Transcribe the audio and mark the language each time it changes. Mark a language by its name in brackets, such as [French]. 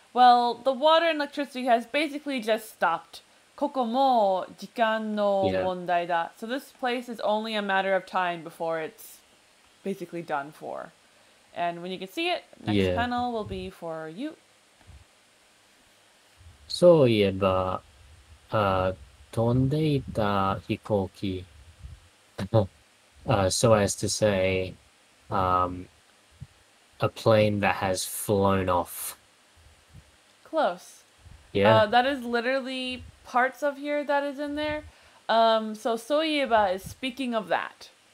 [English] Well, the water and electricity has basically just stopped. [Japanese] Koko mo jikan no mondai da. [English] So this place is only a matter of time before it's basically done for. And when you can see it, next panel will be for you. [Japanese] そういえば、飛んでいた飛行機。 [English] so as to say, a plane that has flown off. Close. Yeah. That is literally parts of here that is in there. So いえば is speaking of that.